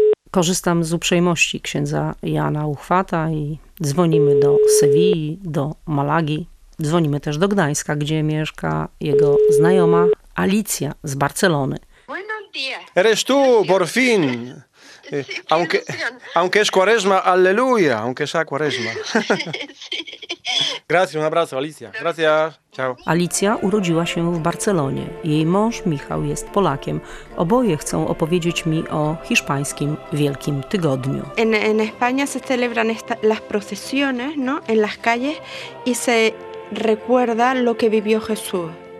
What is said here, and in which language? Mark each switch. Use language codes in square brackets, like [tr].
[pl] Korzystam z uprzejmości księdza Jana Uchwata i dzwonimy do Sewilli, do Malagi. Dzwonimy też do Gdańska, gdzie mieszka jego znajoma Alicja z Barcelony. [es] Buenos días. Eres tú, por fin. Sí, aunque es cuaresma, aleluya, aunque sea cuaresma. Gracias, un abrazo, Alicia. Gracias, ciao. [pl] Alicja urodziła się w Barcelonie. Jej mąż Michał jest Polakiem. Oboje chcą opowiedzieć mi o hiszpańskim Wielkim Tygodniu. [es] En España se celebran las procesiones, no, en las calles y se recuerda lo que vivió Jesús.